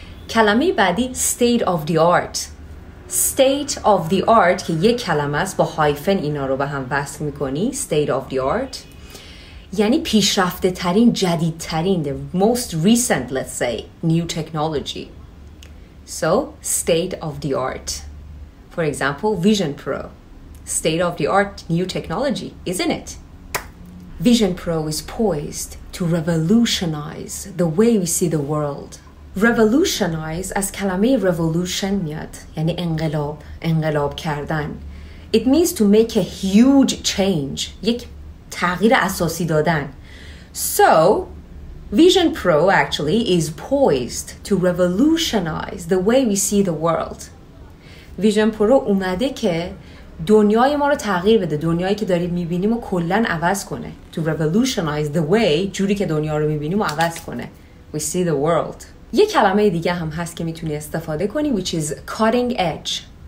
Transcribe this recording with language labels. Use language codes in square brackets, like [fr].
[fa] کلمه بعدی state of the art. State of the art که یک کلمه است با هایفن اینا رو به هم وصل میکنی, state of the art یعنی پیشرفته ترین, جدید ترین, [en] the most recent, let's say, new technology. So state of the art. For example, Vision Pro. State of the art new technology, isn't it? Vision Pro is poised to revolutionize the way we see the world. [fa] Revolutionize as کلمه revolution میاد, یعنی انقلاب, انقلاب کردن. [en] It means to make a huge change, [fa] یک تغییر اساسی دادن. [en] So Vision Pro actually is poised to revolutionize the way we see the world. [fa] Vision Pro اومده که دنیای ما رو تغییر بده, دنیایی که داریم میبینیم و کلن عوض کنه. [en] To revolutionize the way, [fa] جوری که دنیا رو میبینیم و عوض کنه. [en] We see the world. [fa] یه کلمه دیگه هم هست که میتونی استفاده کنی, [en] which is cutting edge.